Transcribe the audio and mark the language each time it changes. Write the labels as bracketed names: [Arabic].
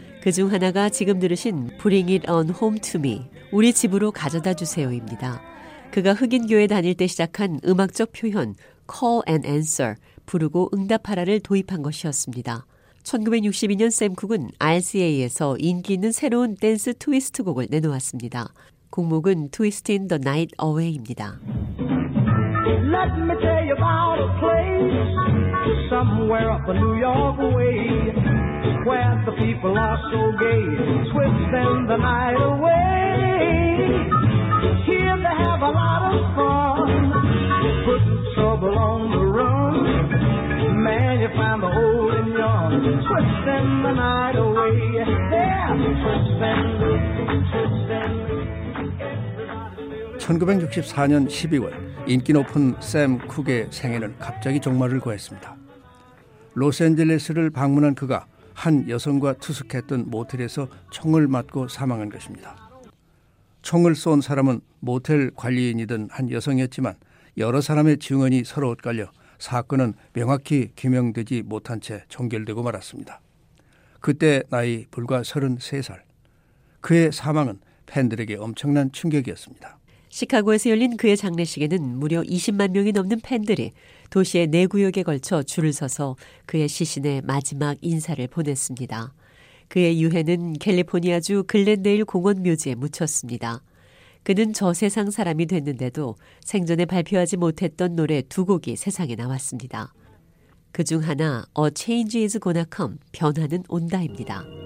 [Korean] 그중 하나가 지금 들으신 Bring It On Home To Me, 우리 집으로 가져다 주세요입니다. 그가 흑인 교회 다닐 때 시작한 음악적 표현 Call and Answer, 부르고 응답하라를 도입한 것이었습니다. 1962년 샘 쿡은 RCA에서 인기 있는 새로운 댄스 트위스트 곡을 내놓았습니다. 곡목은 Twist in the Night Away입니다. [English] Let me tell you about a place somewhere up in New York way where the people are so gay, twisting the night away. Here they have a lot of fun, put trouble on the run. Man, you find the old and young, twisting the night away. Yeah, twisting the night away. [Korean] 1964년 12월, 인기 높은 샘 쿡의 생애는 갑자기 종말을 구했습니다. 로스앤젤레스를 방문한 그가 한 여성과 투숙했던 모텔에서 총을 맞고 사망한 것입니다. 총을 쏜 사람은 모텔 관리인이던 한 여성이었지만 여러 사람의 증언이 서로 엇갈려 사건은 명확히 규명되지 못한 채 종결되고 말았습니다. 그때 나이 불과 33살, 그의 사망은 팬들에게 엄청난 충격이었습니다. 시카고에서 열린 그의 장례식에는 무려 20만 명이 넘는 팬들이 도시의 네 구역에 걸쳐 줄을 서서 그의 시신에 마지막 인사를 보냈습니다. 그의 유해는 캘리포니아주 글렌데일 공원 묘지에 묻혔습니다. 그는 저세상 사람이 됐는데도 생전에 발표하지 못했던 노래 두 곡이 세상에 나왔습니다. 그중 하나 A Change Is Gonna Come, 변화는 온다입니다.